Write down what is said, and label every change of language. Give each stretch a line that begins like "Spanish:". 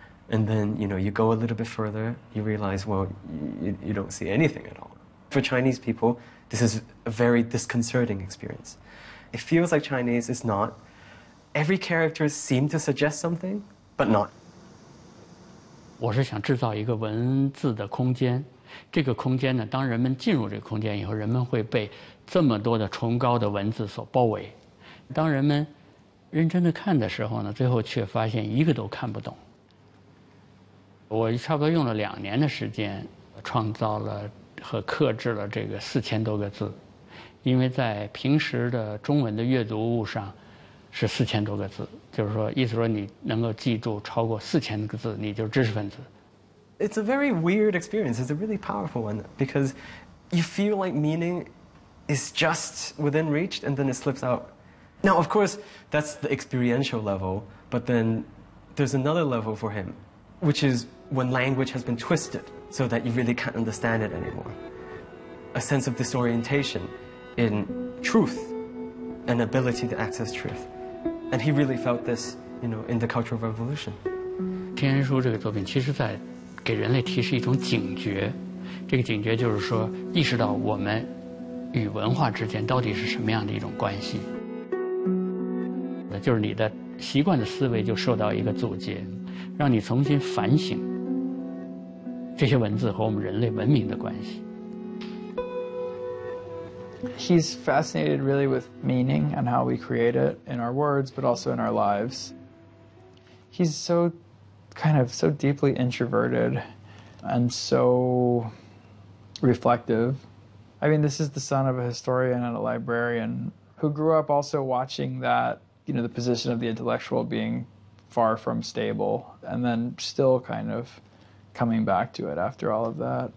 English: And then, you know, you go a little bit further, you realize, well, you don't see anything at all. For Chinese people, this is a very disconcerting experience. It feels like Chinese, it's not. Every character seemed to suggest something, but not. I want to create a space of words.
Chinese: 这个空间呢, 当人们进入这个空间以后, 人们会被这么多的崇高的文字所包围。当人们认真地看的时候呢, 最后却发现一个都看不懂。我差不多用了2年的时间, 创造了和克制了这个4000多个字, 因为在平时的中文的阅读物上, 是4000多个字, 就是说意思说你能够记住超过4000个字, 你就是知识分子。
English: It's a very weird experience. It's a really powerful one because you feel like meaning is just within reach and then it slips out. Now, of course, that's the experiential level, but then there's another level for him, which is when language has been twisted so that you really can't understand it anymore. A sense of disorientation in truth, an ability to access truth. And he really felt this, you know, in the Cultural Revolution.
Chinese: 天书这个作品其实在 给人类提示一种警觉，这个警觉就是说，意识到我们与文化之间到底是什么样的一种关系，就是你的习惯的思维就受到一个阻截，让你重新反省这些文字和我们人类文明的关系。
English: He's fascinated really with meaning and how we create it in our words, but also in our lives. He's so deeply introverted and so reflective. I mean, this is the son of a historian and a librarian who grew up also watching that, you know, the position of the intellectual being far from stable and then still kind of coming back to it after all of that.